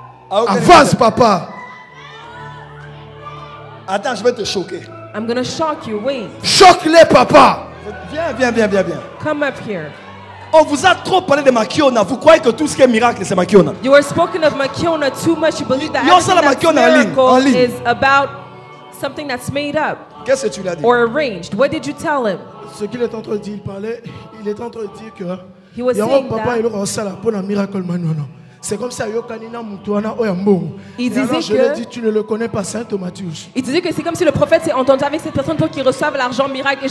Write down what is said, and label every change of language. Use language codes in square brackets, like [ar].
[fr] Avance, papa. Attends, je vais te choquer. [en] I'm gonna shock you. Wait. [fr] Choque-les, papa. Viens. [en] Come up here. [fr] On vous a trop parlé de Makiona. Vous croyez que tout ce qui est miracle, c'est Makiona. [en] You are spoken of Makiona too much. You believe that everything that's miracle is about something that's made up. [fr] Qu'est-ce que tu l'as dit? [en] Or arranged. What did you tell him? [fr] Ce qu'il est en train de dire, il parlait. Il est en train de dire que. [en] He was saying that. [fr] Papa, il aura ça pour un miracle maintenant. C'est comme ça, Yokanina Mutuana Oyambo. Et alors je le dis, tu ne le connais pas, Saint Thomas. Il disait que c'est comme si le prophète s'est entendu avec cette personne pour qu'il reçoive l'argent miracle.